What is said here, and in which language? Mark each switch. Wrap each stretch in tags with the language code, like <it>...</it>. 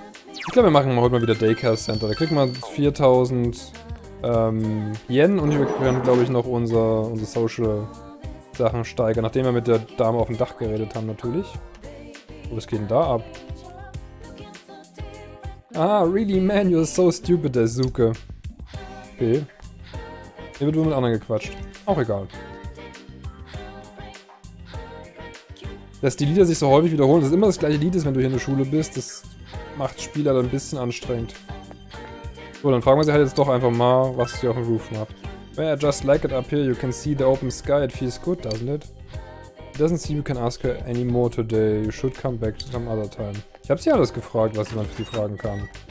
<de>Ich glaube, wir machen heute mal wieder Daycare Center. Da kriegt man 4000 Yen und wir können, glaube ich, noch unsere Social Sachen steigern. Nachdem wir mit der Dame auf dem Dach geredet haben, natürlich. Oh, was geht denn da ab?</de> <en>Ah, really, man, you're so stupid, der Suke.</en> <de>Okay. Hier wird wohl mit anderen gequatscht. Auch egal. Dass die Lieder sich so häufig wiederholen, dass es immer das gleiche Lied ist, wenn du hier in der Schule bist, das macht Spieler dann ein bisschen anstrengend. So, dann fragen wir sie halt jetzt doch einfach mal, was sie auf dem Roof macht.</de> <en>Well, I just like it up here, you can see the open sky, it feels good, doesn't it? It doesn't seem you can ask her any more today, you should come back to some other time.</en> <de>Ich habe sie alles gefragt, was man für sie fragen kann.</de>